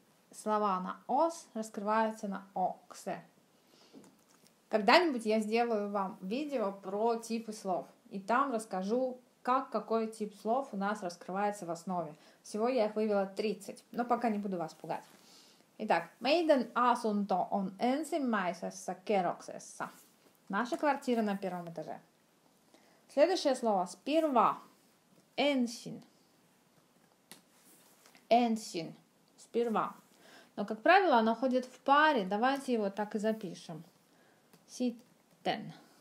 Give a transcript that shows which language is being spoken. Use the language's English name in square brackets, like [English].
[Russian] Слова на ос раскрываются на оксе. Когда-нибудь я сделаю вам видео про типы слов. И там расскажу, как какой тип слов у нас раскрывается в основе. Всего я их вывела 30, но пока не буду вас пугать. [Finnish] Итак, meidän asunto on ensimmäisessä kerroksessa. [Russian] Наша квартира на первом этаже. Следующее слово. Сперва. Ensin. Ensin. Сперва. Но, как правило, оно ходит в паре. Давайте его так и запишем. [Finnish] Sitten.